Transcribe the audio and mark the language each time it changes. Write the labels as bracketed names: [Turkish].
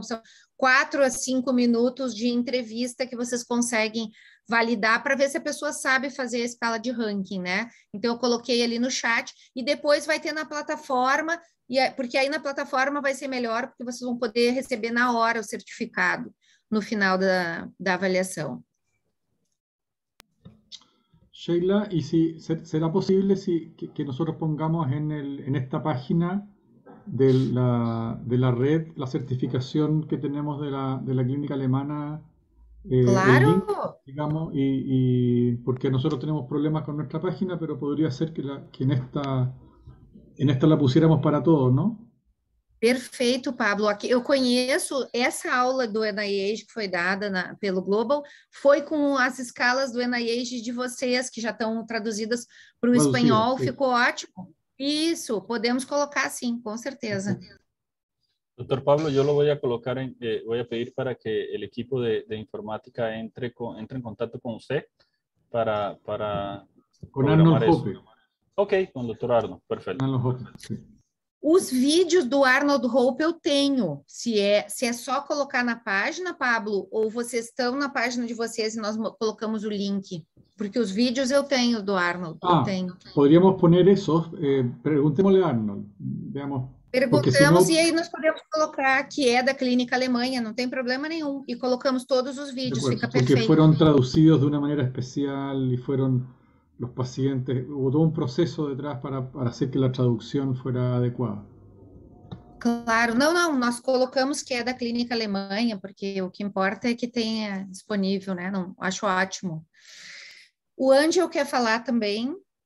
[Portuguese] São 4 a 5 minutos de entrevista que vocês conseguem validar para ver se a pessoa sabe fazer a escala de ranking, né? Então, eu coloquei ali no chat, e depois vai ter na plataforma, porque aí na plataforma vai ser melhor, porque vocês vão poder receber na hora o certificado, no final da avaliação. [Spanish] Sheila, ¿y si será posible si, que nosotros pongamos en esta página de la red la certificación que tenemos de la clínica alemana? Claro. El link, digamos, y porque nosotros tenemos problemas con nuestra página, pero podría ser que en esta la pusiéramos para todos, ¿no? [Portuguese] Perfeito, Pablo. Aqui, eu conheço essa aula do NIH que foi dada pelo Global, foi com as escalas do NIH de vocês, que já estão traduzidas para o espanhol, sim. Ficou ótimo. Isso, podemos colocar sim, com certeza. [Spanish] Doutor Pablo, eu lo voy a colocar, voy a pedir para que el equipo de informática entre en contacto con usted para con Arnold Hoppe. Ok, con doctor Arnold, perfecto. Arnold Hoppe, sí. [Portuguese] Os vídeos do Arnold Hope eu tenho. Se é só colocar na página, Pablo, ou vocês estão na página de vocês e nós colocamos o link? Porque os vídeos eu tenho do Arnold. Ah, eu tenho. [Spanish] Poderíamos poner eso. [Portuguese] Perguntemos-lhe, Arnold. [Spanish] Veamos. [Portuguese] Perguntamos senão... e aí nós podemos colocar que é da clínica Alemanha, não tem problema nenhum. E colocamos todos os vídeos, fica perfeito. Porque foram traduzidos de uma maneira especial e foram... [Spanish] los pacientes, hubo todo un proceso detrás para hacer que la traducción fuera adecuada. Claro, no, nos colocamos que es de la clínica Alemania, porque lo que importa es que tenga disponible, ¿no? [Portuguese] No, acho ótimo. O Ángel [Spanish] quiere hablar también.